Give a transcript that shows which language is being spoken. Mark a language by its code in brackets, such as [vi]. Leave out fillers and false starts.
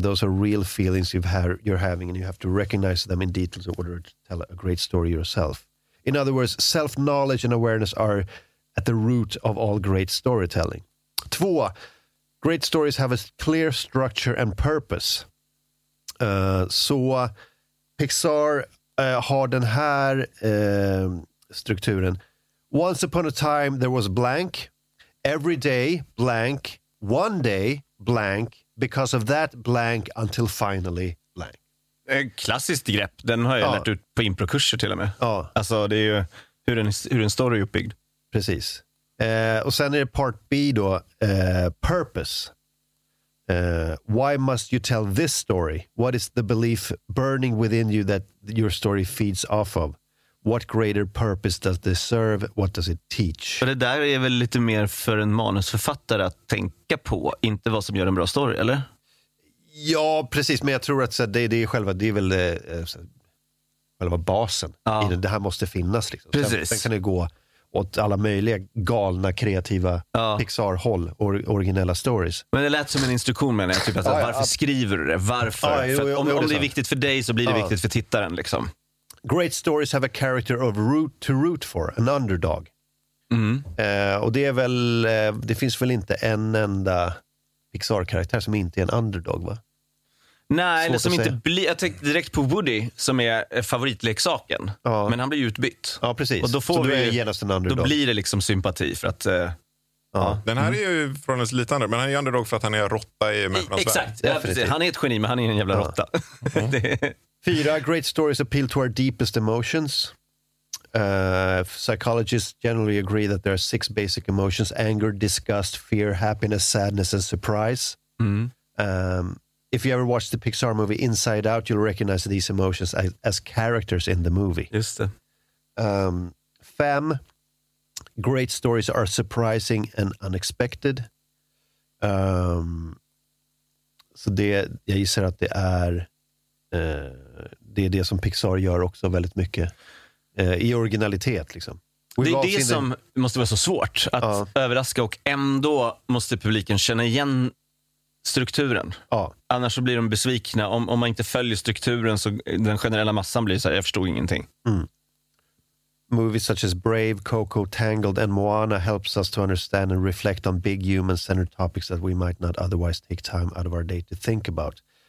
[en] Those are real feelings you're having, and you have to recognize them in detail in order to tell a great story yourself. In other words, self-knowledge and awareness are at the root of all great storytelling. 2, great stories have a clear structure and purpose. [sv] Så Pixar har den här strukturen. [en] Once upon a time there was blank, every day blank, one day blank, because of that blank until finally blank. [sv] En klassiskt grepp, den har jag lärt ut på improkurser till och med. Ja. Alltså det är ju hur en story är uppbyggd. Precis. Och sen är det part B då, purpose. [en] Why must you tell this story? What is the belief burning within you that your story feeds off of? What greater purpose does this serve? What does it teach? [sv] Och det där är väl lite mer för en manusförfattare att tänka på, inte vad som gör en bra story, eller? Ja, precis. Men jag tror att det är själva basen. Ja. Det här måste finnas. Liksom. Precis. Sen kan det gå åt alla möjliga galna, kreativa Pixar-håll, originella stories. Men det lät som en instruktion, menar jag. Typ att, varför skriver du det? Varför? Om det är viktigt för dig så blir det viktigt för tittaren. Liksom. [en] Great stories have a character of root to root for, an underdog. Mm. [sv] Och det är väl, det finns väl inte en enda Pixar-karaktär som inte är en underdog, va? Nej, det som inte blir. Jag tänkte direkt på Woody som är favoritleksaken. Ja. Men han blir utbytt. Ja, precis. Och då får du genast en underdog. Då blir det liksom sympati för att ja. Den här är ju från en liten underdog, men han är ju underdog för att han är råtta i människans värld. Exakt. Ja, han är ett geni, men han är en jävla råtta. [en] Fyra, great stories appeal to our deepest emotions. Psychologists generally agree that there are six basic emotions: anger, disgust, fear, happiness, sadness and surprise. Mm. If you ever watch the Pixar movie Inside Out, you'll recognize these emotions as characters in the movie. [sv] Just det. [en] Fem, great stories are surprising and unexpected. [sv] Så det, jag gissar att det är det som Pixar gör också väldigt mycket. I originalitet liksom. Det är det som måste vara så svårt att överraska, och ändå måste publiken känna igen strukturen. Ja. Annars så blir de besvikna. Om man inte följer strukturen så den generella massan blir så här, jag förstod ingenting. Mm. [en] Movies such as Brave, Coco, Tangled and Moana helps us to understand and reflect on big human-centered topics that we might not otherwise take time out of our day to think about.